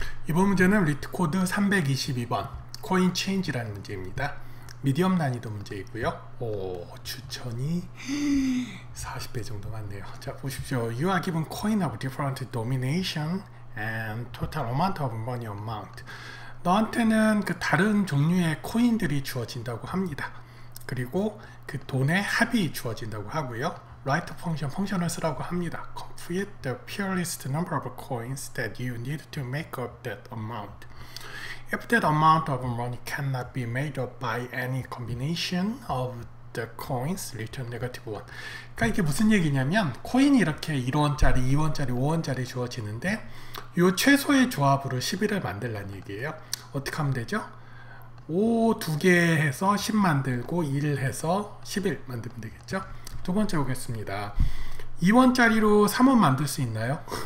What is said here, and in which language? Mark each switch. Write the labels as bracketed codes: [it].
[ko] 이번 문제는 리트코드 322번 코인 체인지라는 문제입니다. 미디엄 난이도 문제이고요. 오, 추천이 40배 정도 많네요. 자, 보십시오. [en] You are given coin of different denomination and total amount of money amount. [ko] 너한테는 그 다른 종류의 코인들이 주어진다고 합니다. 그리고 그 돈의 합이 주어진다고 하고요. [en] Write a function, [ko] 펑션을 쓰라고 합니다. [en] Complete the purest number of coins that you need to make up that amount. If that amount of money cannot be made up by any combination of the coins, return negative one. [ko] 그러니까 이게 무슨 얘기냐면 코인이 이렇게 1원짜리, 2원짜리, 5원짜리 주어지는데 요 최소의 조합으로 10을 만들란 얘기예요. 어떻게 하면 되죠? 5 두 개 해서 10 만들고 1 해서 11 만들면 되겠죠? 두 번째 보겠습니다. 2원짜리로 3원 만들 수 있나요?